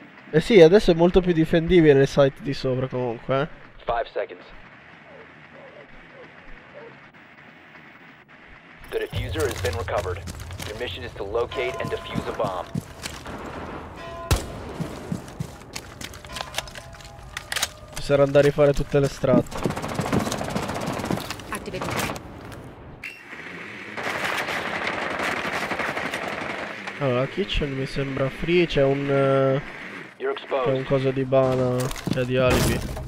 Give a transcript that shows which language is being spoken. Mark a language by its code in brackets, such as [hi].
[it] Eh sì, adesso è molto più difendibile il site di sopra comunque. [en] 5 seconds. The diffuser has been recovered. Your mission is to locate and defuse a bomb. [it] Bisogna andare a rifare tutte le strade. Allora, la kitchen mi sembra free, c'è un coso di bana, cioè di alibi.